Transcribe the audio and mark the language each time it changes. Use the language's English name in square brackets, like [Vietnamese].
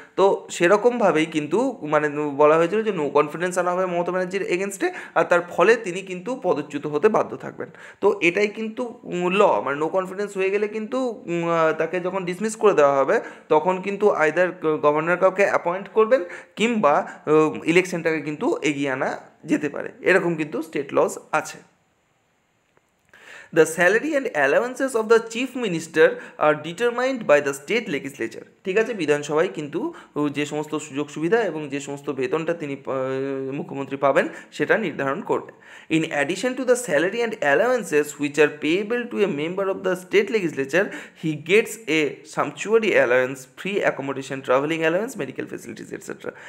[Bangla] তো সেরকমভাবেই কিন্তু মানে বলা হয়েছিল যে নো কনফিডেন্স আনা হবে মমতা ব্যানার্জির এগেনস্টে, আর তার ফলে তিনি কিন্তু পদচ্যুত হতে বাধ্য থাকবেন। তো এটাই কিন্তু ল, মানে নো কনফিডেন্স হয়ে গেলে কিন্তু তাকে যখন ডিসমিস করে দেওয়া হবে তখন কিন্তু আইদার গভর্নর কাউকে অ্যাপয়েন্ট করবেন, কিংবা ইলেকশনটাকে কিন্তু এগিয়ে আনা যেতে পারে, এরকম কিন্তু স্টেট লস আছে। [English] The salary and allowances of the chief minister are determined by the state legislature. [Bangla] ঠিক আছে, বিধানসভায় কিন্তু যে সমস্ত সুযোগ সুবিধা এবং যে সমস্ত বেতনটা তিনি মুখ্যমন্ত্রী পাবেন সেটা নির্ধারণ করবে। [English] In addition to the salary and allowances which are payable to a member of the state legislature, he gets a sumptuary allowance, free accommodation, travelling allowance, medical facilities etcetera.